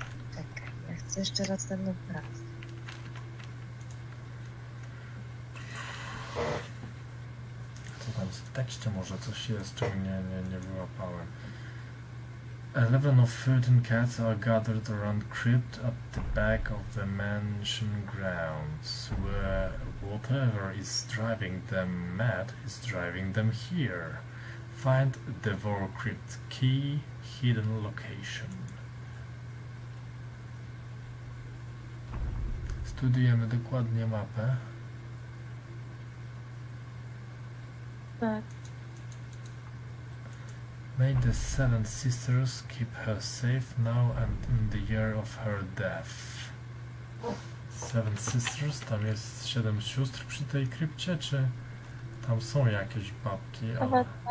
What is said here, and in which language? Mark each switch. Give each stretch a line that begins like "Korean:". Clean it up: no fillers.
Polish: Czekaj, ja chcę jeszcze raz ten obraz. Co tam w tekście może coś jest, czego nie wyłapałem.
English: 11 of 13 cats are gathered around crypt at the back of the mansion grounds, where whatever is driving them mad is driving them here. Find the Vor Crypt key, hidden location.
Polish: Studiujemy dokładnie mapę. Tak.
English: May the seven sisters keep her safe now and in the year of her death.
Polish: Seven sisters, tam jest siedem sióstr przy tej krypcie, czy tam są jakieś babki, ale...